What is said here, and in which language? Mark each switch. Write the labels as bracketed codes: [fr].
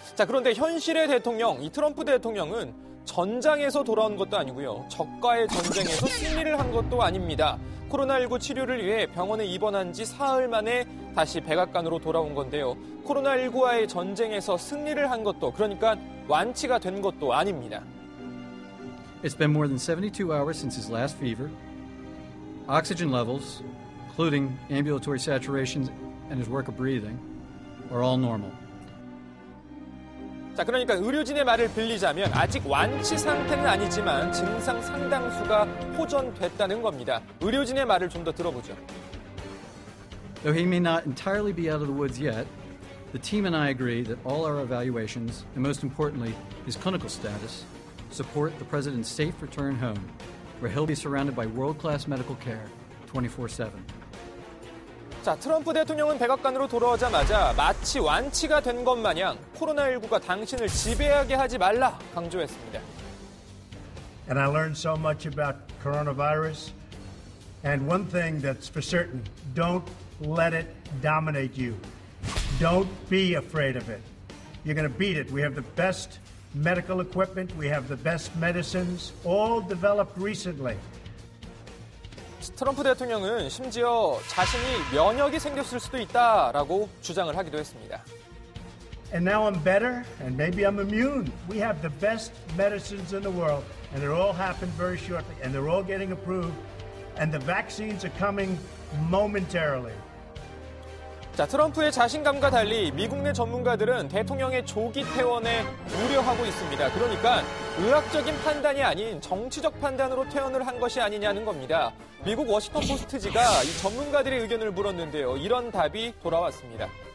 [ko] 자, 그런데 현실의 대통령, 이 트럼프 대통령은 전장에서 돌아온 것도 아니고요. 적과의 전쟁에서 승리를 한 것도 아닙니다. 코로나19 치료를 위해 병원에 입원한 지 사흘 만에 다시 백악관으로 돌아온 건데요. 코로나19와의 전쟁에서 승리를 한 것도, 그러니까 완치가 된 것도 아닙니다. [en] It's been more than 72 hours since his last fever. Oxygen levels, including ambulatory saturations and his work of breathing, are all normal. [ko] 자, 그러니까 의료진의 말을 빌리자면 아직 완치 상태는 아니지만 증상 상당수가 호전됐다는 겁니다. 의료진의 말을 좀 더 들어보죠. [en] Though he may not entirely be out of the woods yet, the team and I agree that all our evaluations, and most importantly, his clinical status, support the president's safe return home, where he'll be surrounded by world-class medical care 24/7. [ko] 자, 트럼프 대통령은 백악관으로 돌아오자마자 마치 완치가 된 것 마냥 코로나19가 당신을 지배하게 하지 말라 강조했습니다. [en] And I learned so much about coronavirus. And one thing that's for certain, don't let it dominate you. Don't be afraid of it. You're going to beat it. We have the best medical equipment. We have the best medicines, all developed recently. [ko] 트럼프 대통령은 심지어 자신이 면역이 생겼을 수도 있다라고 주장을 하기도 했습니다. [en] And now I'm better and maybe I'm immune. We have the best medicines in the world and it all happened very shortly and they're all getting approved and the vaccines are coming momentarily. [ko] 자, 트럼프의 자신감과 달리 미국 내 전문가들은 대통령의 조기 퇴원에 우려하고 있습니다. 그러니까 의학적인 판단이 아닌 정치적 판단으로 퇴원을 한 것이 아니냐는 겁니다. 미국 워싱턴 포스트지가 이 전문가들의 의견을 물었는데요. 이런 답이 돌아왔습니다.